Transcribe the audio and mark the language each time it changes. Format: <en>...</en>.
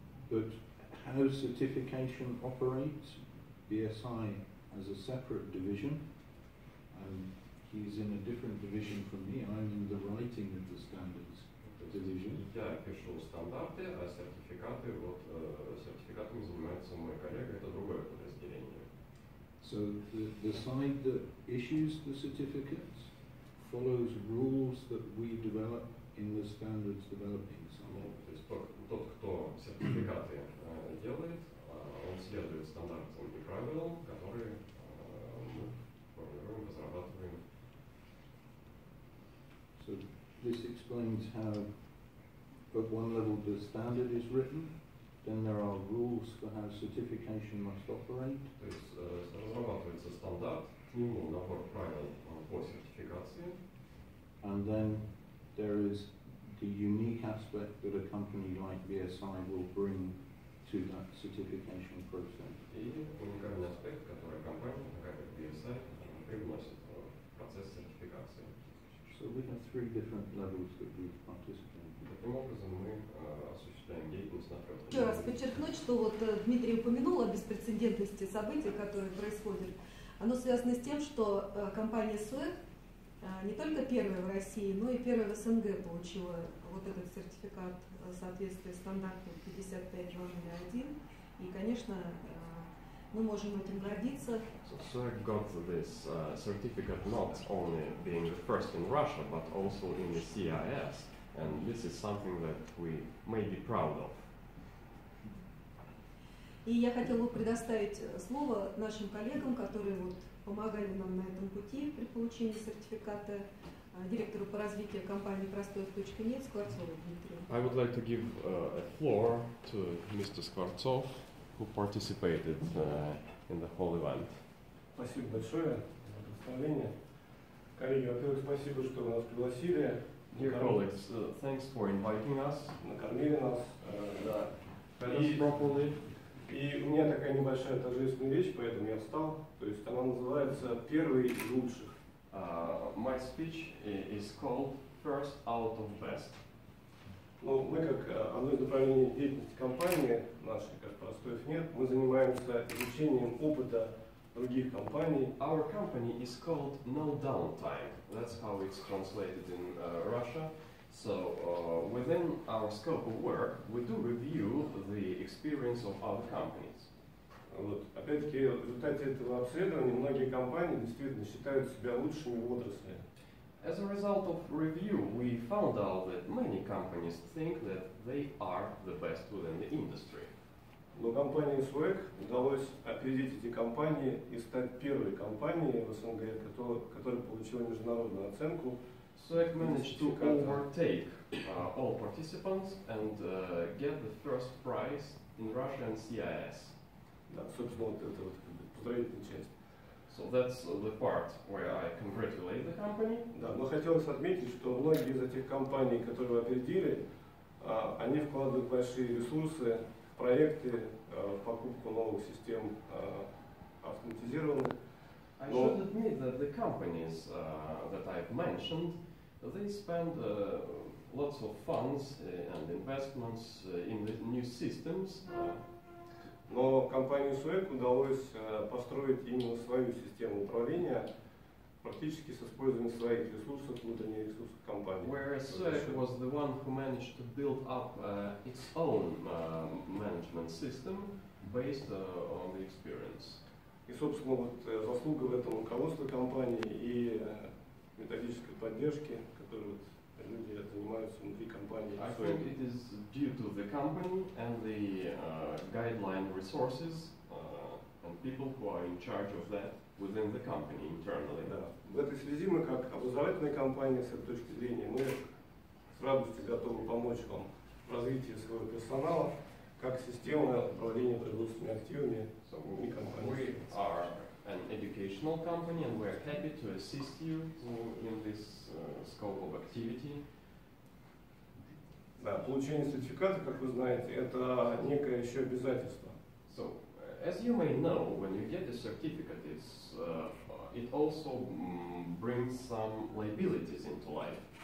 <en>But how certification operates, BSI as a separate division, he's in a different division from me. I'm in the writing of the standards division.</en> <ru>Я пишу стандарты, а сертификаты, вот сертификатами занимается мой коллега, это другое подразделение.</ru> <en>So the side that issues the certificates follows rules that we develop in the standards developing side.</en> <ru>То есть тот, кто сертификаты делает, он следует стандартам и правилам, которые мы формируем, разрабатываем.</ru> <en>So this explains how, at one level, the standard is written, then there are rules for how certification must operate.</en> <ru>То есть разрабатывается стандарт, к нему набор правил по сертификации.</ru> <en>And then there is the unique aspect that a company like BSI will bring to that certification process.</en> <ru>И уникальный аспект, который компания, как BSI, привносит в процесс сертификации.</ru> <en>So we have three different levels that we participate in.</en> <ru>Таким образом, мы осуществляем деятельность на трех. Еще раз подчеркнуть, что вот Дмитрий упомянул о беспрецедентности событий, которые происходят. Оно связано с тем, что компания SUEK не только первая в России, но и первая в СНГ получила вот этот сертификат соответствия стандарту 55001. И, конечно, мы можем этим гордиться.</ru> <en>So SUEK got this certificate not only being the first in Russia, but also in the CIS. And this is something that we may be proud of.</en> <ru>И я хотела бы предоставить слово нашим коллегам, которые вот помогали нам на этом пути при получении сертификата, директору по развитию компании «Простой в точке нет» Скворцову Дмитрию.</ru> <en>I would like to give a floor to Mr. Skvortsov, who participated in the whole event.</en> <ru>Спасибо большое за представление. Коллеги, во-первых, спасибо, что вы нас пригласили.</ru> <en>Dear colleagues, thanks for inviting us.</en> <ru>Накормили нас, да.</ru> <en>Fed us properly.</en> <ru>И у меня такая небольшая торжественная вещь, поэтому я встал. То есть она называется «Первый из лучших».</ru> <en>My speech is called «First out of best».</en> <ru>Ну, мы как одно из направлений деятельности компании нашей, как «Простоев нет», мы занимаемся изучением опыта других компаний.</ru> <en>Our company is called «No downtime». That's how it's translated in Russia. So, within our scope of work, we do review the experience of other companies.</en> <ru>Вот, опять-таки, в результате этого обследования многие компании действительно считают себя лучшими в отрасли.</ru> <en>As a result of review, we found out that many companies think that they are the best within the industry.</en> <ru>Но компании SUEK удалось опередить эти компании и стать первой компанией в СНГ, которая получила международную оценку.</ru> <en>SUEK managed to overtake all participants and get the first prize in Russia and CIS.</en> <ru>Да, собственно, это вот поздравительная часть.</ru> <en>So that's the part where I congratulate the company.</en> <ru>Да, но хотелось отметить, что многие из этих компаний, которые вы опередили, они вкладывают большие ресурсы в проекты, в покупку новых систем автоматизированных.</ru> <en>I should admit that the companies that I've mentioned, they spend lots of funds and investments in the new systems.</en> <ru>Но компании SUEK удалось построить именно свою систему управления практически с использованием своих ресурсов, внутренних ресурсов компании.</ru> <en>Whereas SUEK was the one who managed to build up its own management system based on the experience.</en> <ru>И, собственно, вот заслуга в этом руководства компании и методической поддержки, которую вот люди занимаются внутри компании.</ru> <en>I think it is due to the company and the guideline resources and people who are in charge of that within the company internally.</en> <ru>Да. В этой связи мы, как образовательная компания, с этой точки зрения, мы с радостью готовы помочь вам в развитии своего персонала, как система управления производственными активами.</ru> <en>We are an educational company and we are happy to assist you in this scope of activity.</en> <ru>Да, получение сертификата, как вы знаете, это некое еще обязательство.</ru> <en>So, as you may know, when you get a certificate, it also brings some liabilities into life.</en>